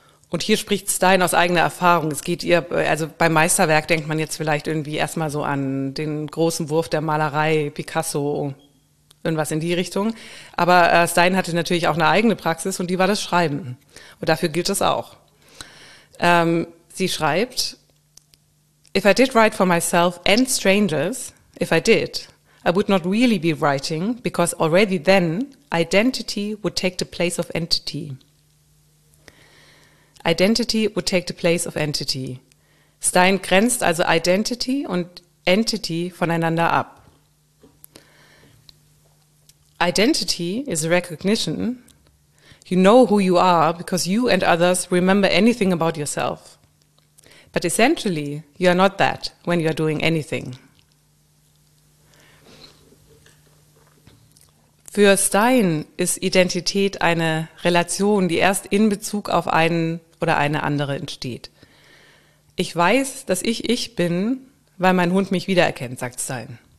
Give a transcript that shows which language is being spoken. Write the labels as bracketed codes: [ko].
[de] Und hier spricht Stein aus eigener Erfahrung. Es geht ihr, also beim Meisterwerk denkt man jetzt vielleicht irgendwie erstmal so an den großen Wurf der Malerei, Picasso, irgendwas in die Richtung. Aber Stein hatte natürlich auch eine eigene Praxis und die war das Schreiben. Und dafür gilt es auch. Sie schreibt, [en] if I did write for myself and strangers, if I did, I would not really be writing, because already then identity would take the place of entity. Identity would take the place of entity. [de] Stein grenzt also Identity und Entity voneinander ab. [en] Identity is recognition. You know who you are because you and others remember anything about yourself. But essentially, you are not that when you are doing anything. [de] Für Stein ist Identität eine Relation, die erst in Bezug auf einen oder eine andere entsteht. Ich weiß, dass ich ich bin, weil mein Hund mich wiedererkennt, sagt Stein.